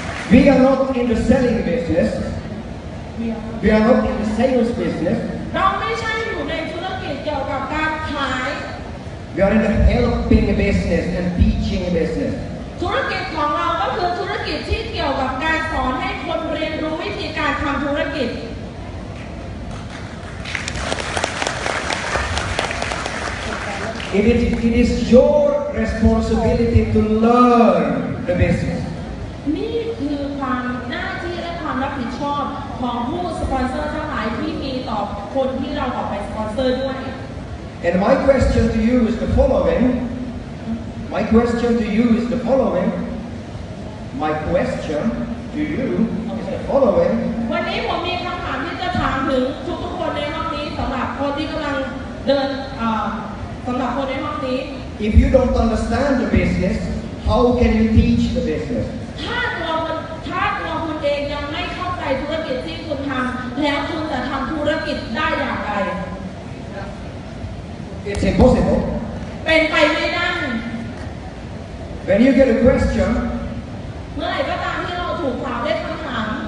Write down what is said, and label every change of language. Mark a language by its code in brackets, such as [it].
[en] We are not in the selling business. We are not in the sales business. We are in the helping business and teaching business. [th] ธุรกิจของเราก็คือธุรกิจที่เกี่ยวกับการสอนให้คนเรียนรู้วิธีการทำธุรกิจ [en] It is your responsibility to learn the business. [th] นี่คือความหน้าที่และความรับผิดชอบของผู้สปอนเซอร์ทั้งหลายที่มีต่อคนที่เราออกไปสปอนเซอร์ด้วย [en] And my question to you is the followingMy question to you is the following. My question to you is the following. [th] วันนี้ผมมีคำถามที่จะถามถึงทุกๆคนในห้องนี้สำหรับคนที่กำลังเดินสำหรับคนในห้องนี้ [en] If you don't understand the business, how can you teach the business? [th] ถ้าตัวคุณเองยังไม่เข้าใจธุรกิจที่คุณทำแล้วคุณจะทำธุรกิจได้อย่างไร [en] It's impossible. [th] เป็นไปไม่ได้ [en] When you get a question, [th] เมื่อไหร่ก็ตามที่เราถูกถามได้คำถาม